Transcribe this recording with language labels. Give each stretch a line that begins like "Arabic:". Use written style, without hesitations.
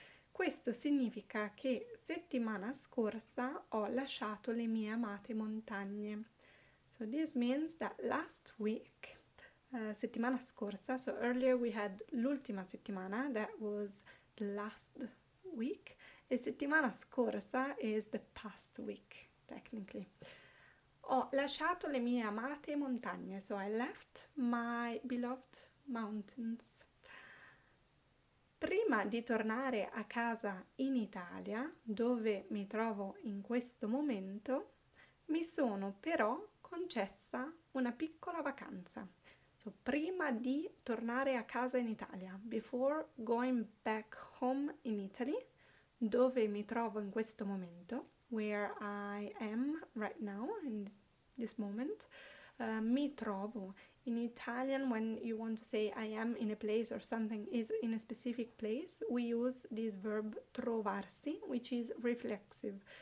Italian: Questo significa che settimana scorsa ho lasciato le mie amate montagne.
English: So this means that last week,
Italian: settimana scorsa,
English: so earlier we had
Italian: l'ultima settimana,
English: that was the last week,
Italian: e settimana scorsa
English: is the past week, technically.
Italian: Ho lasciato le mie amate montagne,
English: so I left my beloved mountains.
Italian: Prima di tornare a casa in Italia, dove mi trovo in questo momento, mi sono però concessa una piccola vacanza. Prima di tornare a casa in Italia,
English: before going back home in Italy,
Italian: dove mi trovo in questo momento,
English: where I am right now, in this moment,
Italian: mi trovo
English: in Italian, when you want to say I am in a place or something is in a specific place, we use this verb trovarsi, which is reflexive.